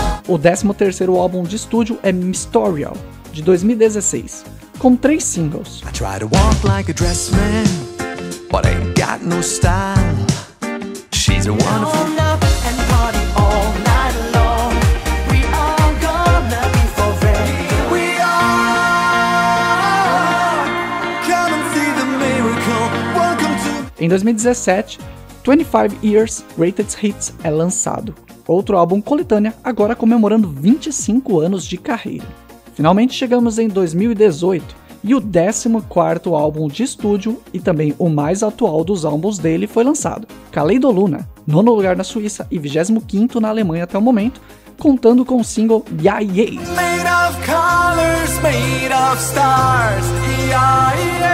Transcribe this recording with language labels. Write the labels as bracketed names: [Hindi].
[Portuguese] O 13º álbum de estúdio é Mysterial, de 2016, com três singles. [English] I try to walk like a dress man. But I got no style. She's a wonderful. Going up and party all night long. We are gonna be forever. We are. Come and see the miracle. Welcome to. [Portuguese] Em 2017, 25 Years Greatest Hits é lançado. Outro álbum coletânea, agora comemorando 25 anos de carreira. Finalmente chegamos em 2018. E o 14º álbum de estúdio, e também o mais atual dos álbuns dele, foi lançado. Kaleido Luna, 9º lugar na Suíça e 25º na Alemanha até o momento, contando com o single Ya Ye. [English] Made of colors, made of stars, Ya Ye.